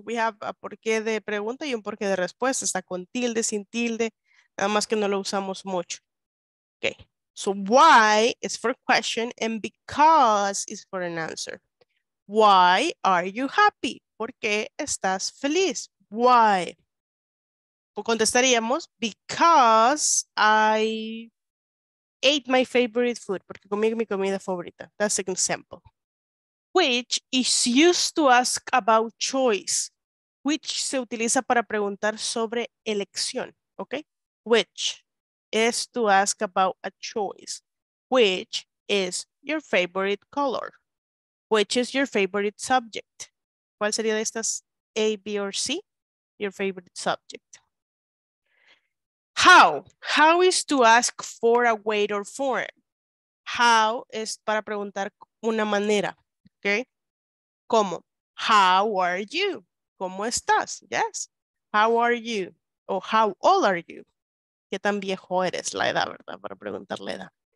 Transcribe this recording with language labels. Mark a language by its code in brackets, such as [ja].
[en] We have a [es] porqué de pregunta y un porqué de respuesta. Está con tilde, sin tilde. Nada más que no lo usamos mucho. Okay. [en] So why is for question and because is for an answer. Why are you happy? [es] ¿Por qué estás feliz? [en] Why? [es] O contestaríamos [en] because I... ate my favorite food, [es] porque comí mi comida favorita. [en] That's an example. Which is used to ask about choice. [es] Which se utiliza para preguntar sobre elección, ¿ok? [en] Which is to ask about a choice. Which is your favorite color? Which is your favorite subject? [es] ¿Cuál sería de estas A, B, or C? [en] Your favorite subject. How? How is to ask for a way or form? [es] How es para preguntar una manera, okay? ¿Cómo? [en] How are you? [es] ¿Cómo estás? [en] Yes. How are you? [es] O [en] how old are you? [es] ¿Qué tan viejo eres? La edad, ¿verdad? Para preguntar la edad.